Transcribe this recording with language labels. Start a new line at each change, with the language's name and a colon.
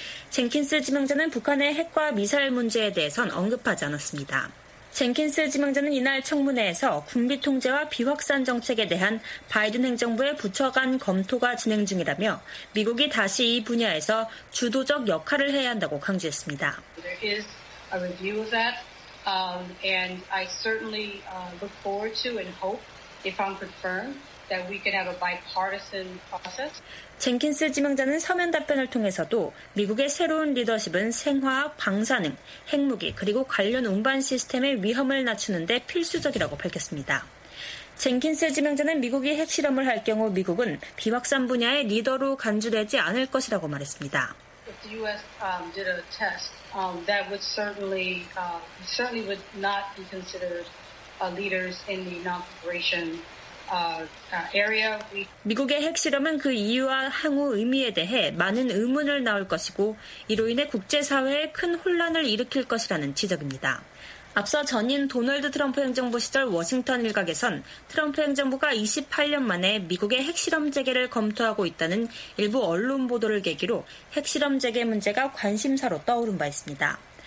Korean: 젠킨스 지명자는 북한의 핵과 미사일 문제에 대해선 언급하지 않았습니다. 젠킨스 지명자는 이날 청문회에서 군비 통제와 비확산 정책에 대한 바이든 행정부의 부처 간 검토가 진행 중이라며 미국이 다시 이 분야에서 주도적 역할을 해야 한다고 강조했습니다.
English: A review of that, and I certainly look forward to and hope, if I'm confirmed, that we can have a bipartisan process.
Korean: 젠킨스 지명자는 서면 답변을 통해서도 미국의 새로운 리더십은 생화학, 방사능, 핵무기 그리고 관련 운반 시스템의 위험을 낮추는 데 필수적이라고 밝혔습니다. 젠킨스 지명자는 미국이 핵실험을 할 경우 미국은 비확산 분야의 리더로 간주되지 않을 것이라고 말했습니다.
English: If the U.S. did a test, that would certainly would not be considered leaders in the non-proliferation area.
Korean: 미국의 핵실험은 그 이유와 향후 의미에 대해 많은 의문을 낳을 것이고 이로 인해 국제사회에 큰 혼란을 일으킬 것이라는 지적입니다. 앞서 전인 도널드 트럼프 행정부 시절 워싱턴 일각에선 트럼프 행정부가 28년 만에 미국의 핵실험 재개를 검토하고 있다는 일부 언론 보도를 계기로 핵실험 재개 문제가 관심사로 떠오른 바 있습니다.